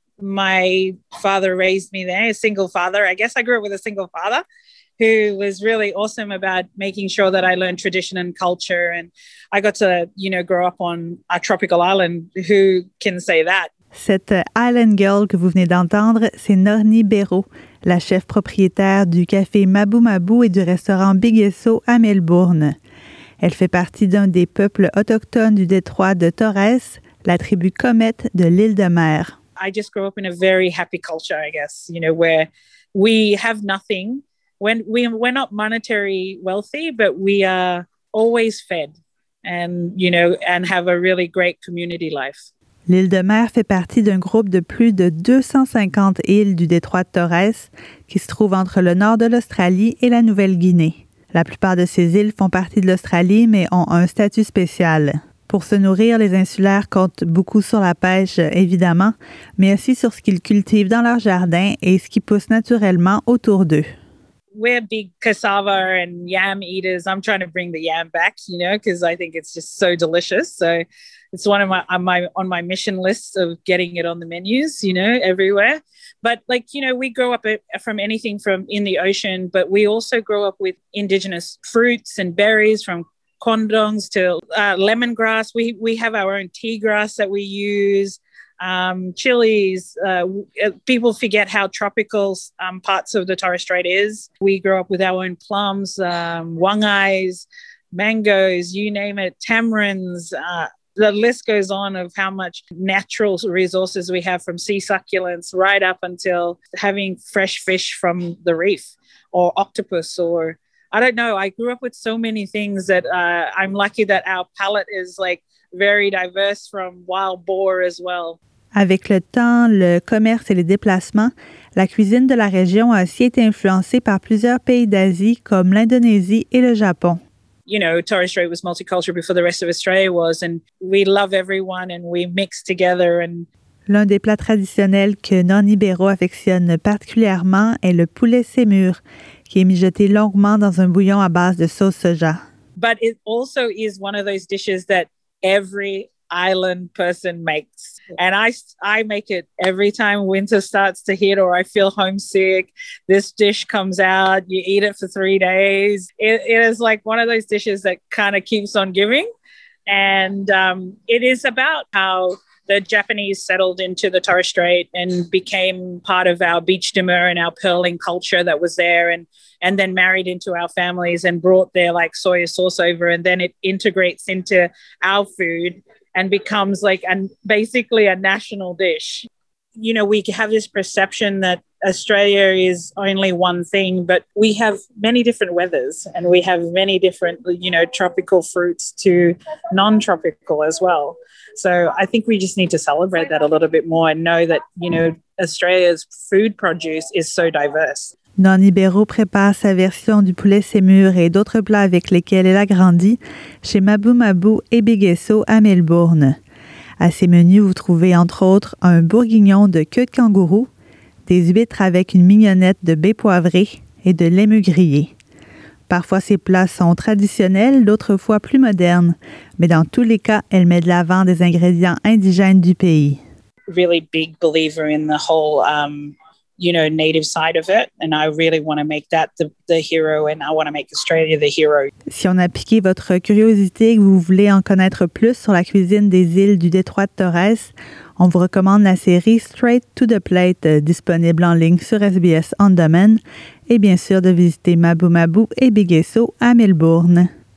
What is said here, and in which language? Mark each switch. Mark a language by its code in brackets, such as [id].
[en] My father raised me there, a single father. I guess I grew up with a single father who was really awesome about making sure that I learned tradition and culture. And I got to, you know, grow up on a tropical island. Who can say that? [fr] Cette [en] island girl [fr] que vous venez d'entendre, c'est Noni Bero, la chef propriétaire du café Mabou Mabou et du restaurant Big Esso à Melbourne. Elle fait partie d'un des peuples autochtones du détroit de Torres, la tribu Comet de l'île de Mer. [en] I just grew up in a very happy culture, I guess, you know, where we have nothing. We're not monetary wealthy, but we are always fed and, you know, and have a really great community life. [fr] L'île de Mer fait partie d'un groupe de plus de 250 îles du détroit de Torres qui se trouve entre le nord de l'Australie et la Nouvelle-Guinée. La plupart de ces îles font partie de l'Australie, mais ont un statut spécial. Pour se nourrir, les insulaires comptent beaucoup sur la pêche, évidemment, mais aussi sur ce qu'ils cultivent dans leur jardin et ce qui pousse naturellement autour d'eux. [en] We're big cassava and yam eaters. I'm trying to bring the yam back, you know, because I think it's just so delicious. So it's one of my mission list of getting it on the menus, you know, everywhere. But like, you know, we grow up from anything from in the ocean, but we also grow up with indigenous fruits and berries from condoms to lemongrass. We have our own tea grass that we use, chilies. People forget how tropical parts of the Torres Strait is. We grow up with our own plums, wangais, mangoes, you name it, tamarinds. The list goes on of how much natural resources we have from sea succulents right up until having fresh fish from the reef or octopus or I don't know. I grew up with so many things that I'm lucky that our palate is like very diverse from wild boar as well. [fr] Avec le temps, le commerce et les déplacements, la cuisine de la région a aussi été influencée par plusieurs pays d'Asie comme l'Indonésie et le Japon. [en] You know, Torres Strait was multicultural before the rest of Australia was, and we love everyone and we mix together. And [fr] l'un des plats traditionnels que Noni Bero affectionne particulièrement est le poulet sémur, qui est mijoté longuement dans un bouillon à base de sauce soja. [en] But it also is one of those dishes that every island person makes. And I make it every time winter starts to hit or I feel homesick. This dish comes out, you eat it for 3 days. It is like one of those dishes that kind of keeps on giving. And it is about how the Japanese settled into the Torres Strait and became part of our beach demur and our pearling culture that was there and then married into our families and brought their like soya sauce over. And then it integrates into our food and becomes like basically a national dish. You know, we have this perception that Australia is only one thing, but we have many different weathers and we have many different, you know, tropical fruits to non-tropical as well. So I think we just need to celebrate that a little bit more and know that, you know, Australia's food produce is so diverse. [fr] Noni Bero prépare sa version du poulet sémur et d'autres plats avec lesquels elle a grandi chez Mabou Mabou et Big Esso à Melbourne. À ses menus, vous trouvez entre autres un bourguignon de queue de kangourou, des huîtres avec une mignonnette de baie poivrée et de l'émeu grillé. Parfois, ces plats sont traditionnels, d'autres fois plus modernes, mais dans tous les cas, elle met de l'avant des ingrédients indigènes du pays. [en] Really big believer in the whole, you know, native side of it, and I really want to make that the hero, and I want to make Australia the hero. [fr] Si on a piqué votre curiosité et que vous voulez en connaître plus sur la cuisine des îles du détroit de Torres, on vous recommande la série Straight to the Plate, disponible en ligne sur SBS On Demand, et bien sûr de visiter Mabu Mabu et Big Esso à Melbourne.